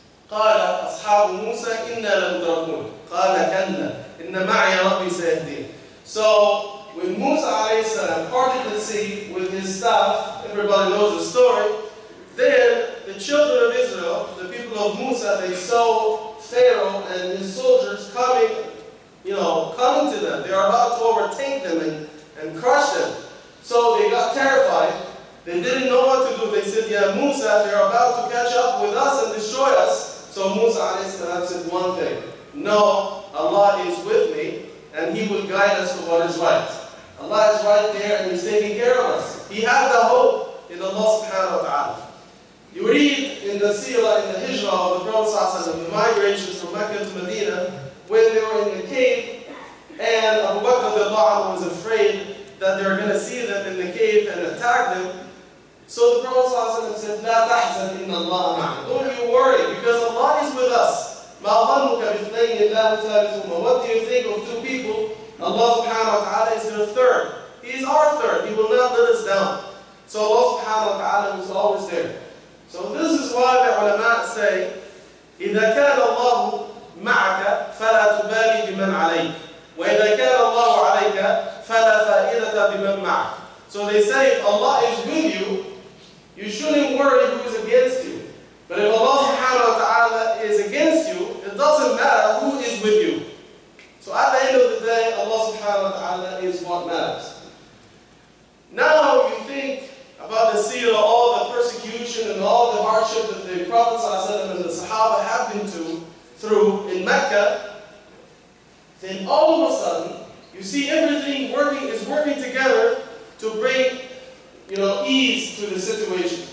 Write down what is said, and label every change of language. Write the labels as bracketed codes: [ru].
[ar] قَالَ أَصْحَابُ مُوسَى إِنَّا لَمُدْرَكُونَ قَالَ كَنَّا إِنَّ مَعِيَ رَبِّي سَيَهْدِينَ [en] So, with Musa alayhi sea with his staff, everybody knows the story. Then the children of Israel, the people of Musa, they saw Pharaoh and his soldiers coming, you know, coming to them. They are about to overtake them and crush them. So they got terrified. They didn't know what to do. They said, yeah, Musa, they're about to catch up with us and destroy us. So Musa alayhi salam said one thing. No, Allah is with me and he will guide us to what is right. Allah is right there and he's taking care of us. He had the hope in Allah subhanahu wa ta'ala. You read in the seerah, in the hijrah of the Prophet, the migration from Mecca to Medina, when they were in the cave, and Abu Bakr radiallahu anhu was afraid that they were going to see them in the cave and attack them. So the Prophet said, [ar] لا تحزن إن الله معنا. [en] Don't you worry, because Allah is with us. [ar] ما ظنك باثنين إلا ثالثهما. [en] What do you think of two people? Allah subhanahu wa ta'ala is the third. He is our third. He will not let us down. So Allah subhanahu wa ta'ala is always there. So this is why the ulama say, [ar] إِذَا كَانَ اللَّهُ مَعَكَ فَلَا تُبَالِي بِمَنْ عَلَيْكَ وَإِذَا كَانَ اللَّهُ عَلَيْكَ فَلَا فَائِدَةَ بِمَنْ مَعَكَ. [en] So they say, if Allah is with you, you shouldn't worry who is against you. But if Allah subhanahu wa ta'ala is against you, it doesn't matter who is with you. So at the end of the day, Allah subhanahu wa ta'ala is what matters. Now you think about the seerah, all the persecution and all the hardship that the Prophet and the Sahaba have been through in Mecca, then all of a sudden, you see everything is working together to bring, you know, ease to the situation.